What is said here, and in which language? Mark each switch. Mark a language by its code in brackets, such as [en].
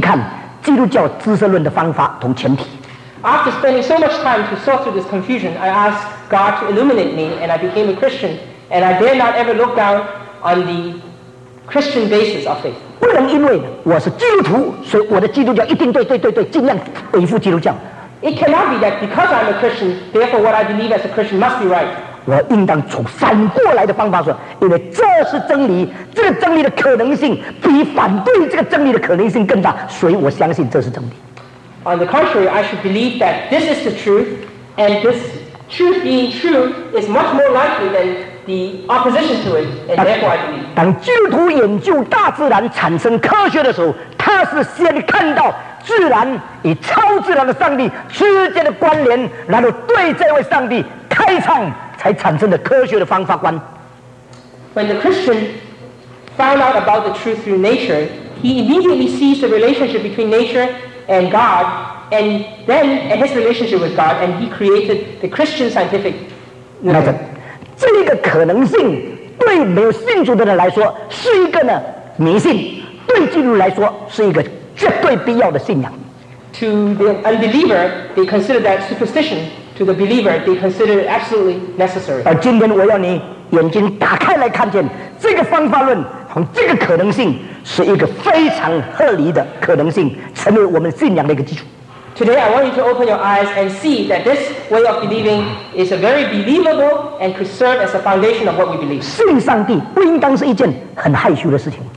[zh] 所以我自从在这个大的混乱中间思考很久，结果我说上帝啊，你光照我的心，我结果我做了一个基督徒，因为我不敢轻看基督教知识论的方法同前提。 [en] After spending so much time to sort through this confusion, I asked God to illuminate me, and I became a Christian, and I dare not ever look down on the Christian basis of faith. [zh] 不能因为我是基督徒，所以我的基督教一定对，尽量恢复基督教。 [en] It cannot be that because I'm a Christian, therefore what I believe as a Christian must be right. [zh] 我应当从反过来的方法说，因为这是真理，这个真理的可能性比反对这个真理的可能性更大，所以我相信这是真理。 [en] On the contrary, I should believe that this is the truth, and this truth being true is much more likely than the opposition to it, and therefore I believe. [zh] 当基督徒研究大自然产生科学的时候，他是先看到自然与超自然的上帝之间的关联，然后对这位上帝开创，才产生的科学的方法观。 [en] When the Christian found out about the truth through nature, he immediately sees the relationship between nature and God, and then and his relationship with God, and he created the Christian scientific method. [zh] 这个可能性对没有信主的人来说是一个呢迷信，对基督来说是一个绝对必要的信仰。 [en] To the unbeliever, they consider that superstition. To the believer, they consider it absolutely necessary. [zh] 而今天我要你眼睛打开来看见这个方法论，这个可能性是一个非常合理的可能性，成为我们信仰的一个基础。 [en] Today, I want you to open your eyes and see that this way of believing is a very believable and could serve as a foundation of what we believe. [zh] 信上帝不应当是一件很害羞的事情。